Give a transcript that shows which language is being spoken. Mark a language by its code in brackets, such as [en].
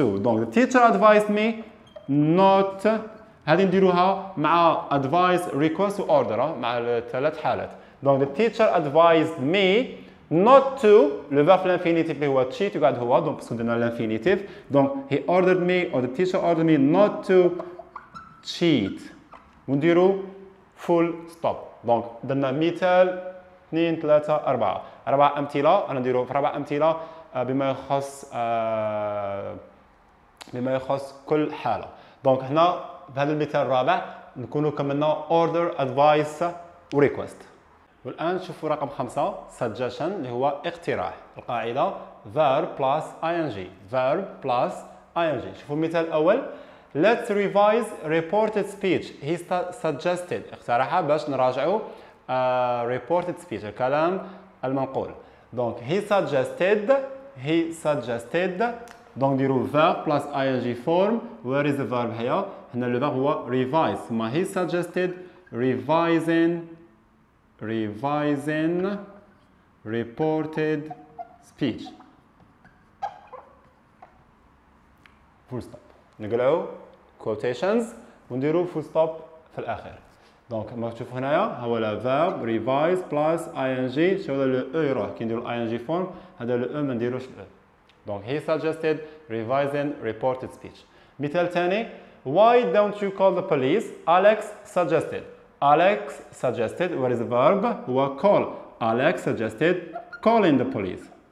[ar] دونك [en] the teacher advised me not، [ar] هذه نديروها مع advise request و order مع الثلاث حالات. دونك [en] the teacher advised me not to، [ar] لو فيرب الانفينيتيف هو cheat وقعد هو، دونك باسكو درنا الانفينيتيف. دونك [en] he ordered me or the teacher ordered me not to cheat، ونديرو full stop. [ar] دونك درنا مثال 2 3 4 4 امثله، انا نديرو في 4 امثله بما يخص كل حاله. دونك هنا في هذا المثال الرابع نكونو كملنا order advice و request. والان شوفوا رقم 5 suggestion اللي هو اقتراح، القاعده verb plus ing، verb plus ing. [en] شوفوا المثال الاول، let's revise reported speech، he suggested، [ar] اقترح باش نراجعوا [en] reported speech [ar] الكلام المنقول. [en] دونك he suggested دونك ديروا verb plus ing form. where is the verb here؟ [ar] هنا لو [en] verb هو revise، ما he suggested revising reported speech. full stop. [ar] نقلعوا quotations ونديروا full stop في الاخر. دونك ما تشوفوا هنايا هو لا verb revise plus ing، شوف لو او يروح كي نديروا ing form، هذا لو او ما نديروش او. [en] دونك he suggested revising reported speech. [ar] مثال ثاني، [en] why don't you call the police؟ Alex suggested where is the verb؟ هو call. Alex suggested calling the police.